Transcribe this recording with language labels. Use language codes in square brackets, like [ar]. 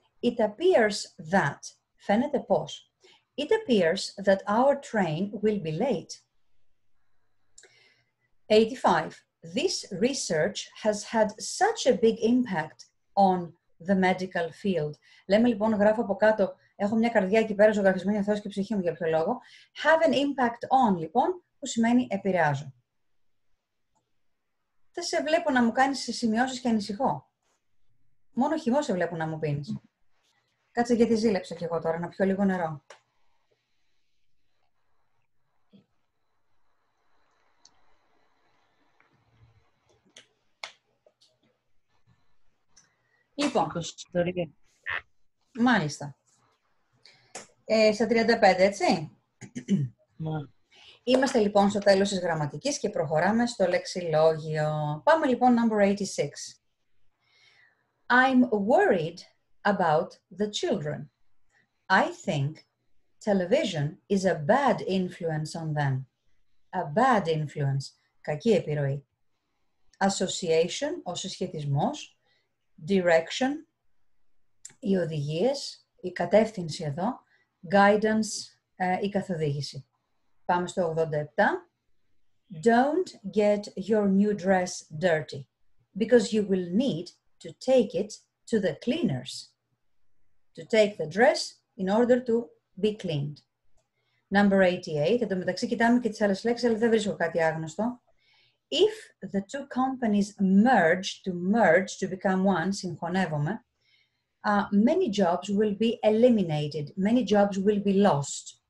[en] It appears that, [el] φαίνεται πως, [en] it appears that our train will be late. 85. This research has had such a big impact on the medical field. [el] Λέμε λοιπόν, γράφω από κάτω, έχω μια καρδιά εκεί πέρα ζωγραφισμένη, ο Θεός και η ψυχή μου για ποιο λόγο. [en] Have an impact on, [el] λοιπόν, που σημαίνει επηρεάζω. Δεν σε βλέπω να μου κάνεις σημειώσεις και ανησυχώ. Μόνο χυμό σε βλέπω να μου πίνεις. Κάτσε γιατί ζήλεψα κι εγώ τώρα, να πιω λίγο νερό. Λοιπόν. Μάλιστα. Στα 35, έτσι. Είμαστε λοιπόν στο τέλος της γραμματικής και προχωράμε στο λεξιλόγιο. Πάμε λοιπόν number 86. [en] I'm worried about the children. I think television is a bad influence on them. A bad influence. [el] Κακή επιρροή. Association, ο συσχετισμός. Direction, οι οδηγίες, η κατεύθυνση εδώ. guidance, η καθοδήγηση. Πάμε στο 87. [en] Don't get your new dress dirty, because you will need to take it to the cleaners. To take the dress in order to be cleaned. Number 88. [el] Εν τω μεταξύ κοιτάμε και τις άλλες λέξεις, αλλά δεν βρίσκω κάτι άγνωστο. [en] If the two companies merge to become one, συγχωνεύομαι, many jobs will be eliminated, many jobs will be lost.